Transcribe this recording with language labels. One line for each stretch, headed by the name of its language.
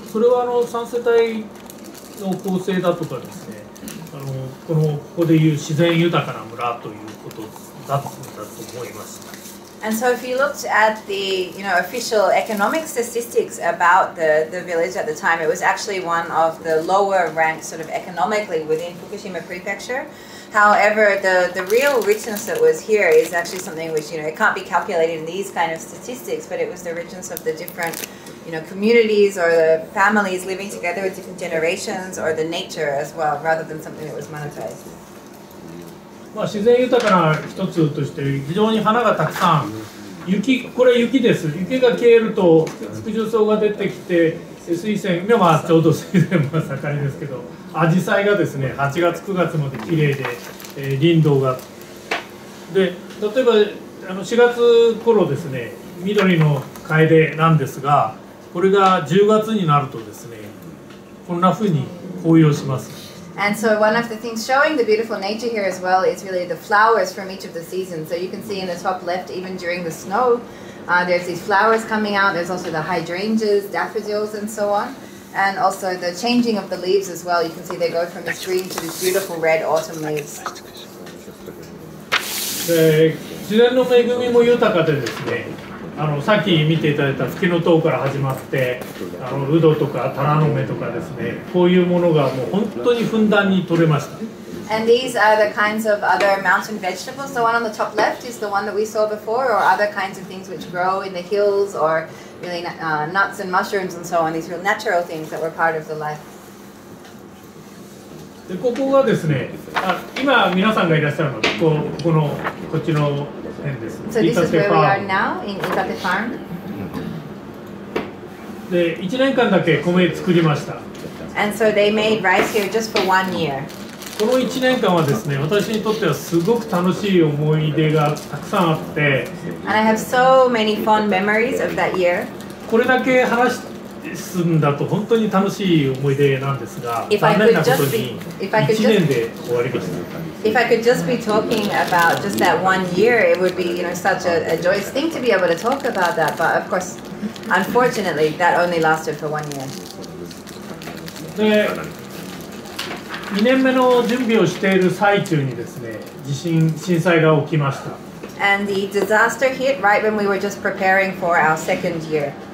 Japanese: それはあの3世帯の構成だとかですね、あのこのここでいう自然豊かな村ということだったと思いました。
English: And so if you looked at the, you know, official economic statistics about the village at the time, it was actually one of the lower ranked sort of economically within Fukushima Prefecture. However, the real richness that was here is actually something which, you know, it can't be calculated in these kind of statistics, but it was the richness of the different, you know, communities or the families living together with different generations or the nature as well, rather than something that was monetized.
Japanese: まあ、自然豊かな一つとして非常に花がたくさん、雪、これは雪です、雪が消えると福寿草が出てきて、水仙、まあ、ちょうど水仙は盛りですけど、アジサイがですね8月9月まで綺麗で、林道がで、例えばあの4月頃ですね緑の楓なんですが、これが10月になるとですねこんな風に紅葉します。
English: And so one of the things showing the beautiful nature here as well is really the flowers from each of the seasons. So you can see in the top left, even during the snow, there's these flowers coming out. There's also the hydrangeas, daffodils and so on. And also the changing of the leaves as well. You can see they go from this green to this beautiful red autumn leaves.
Japanese: で、自然の恵みも豊かでですね、あのさっき見ていただいたフキノトウから始まって、あのウドとかタラの芽とかですね、こういうものがもう本当にふんだんに取れました。
English: And these are the kinds of other mountain vegetables. The one on the top left is the one that we saw before, or other kinds of things which grow in the hills, or really nuts and mushrooms and so on, these real natural things that were part of the life.
Japanese: でここがですね、あ今皆さんがいらっしゃるのは ここのこっちの
English: So this is where we are now in Itate Farm.
Japanese: で、1年間だけ米作りました。
English: And so they made rice here just for 1 year.
Japanese: この1年間はですね、私にとってはすごく楽しい思い出がたくさんあって。
English: And I have so many fond memories of that year.
Japanese: これだけ話すんだと本当に楽しい思い出なんですが、残念なことに1年で終わりました。
English: If I could just be talking about just that 1 year, it would be, you know, such a joyous thing to be able to talk about that. But of course, unfortunately, that only lasted for 1 year.
Japanese: で、2年目の準備をしている最中にですね、震災が起きました。
English: And the disaster hit right when we were just preparing for our second year.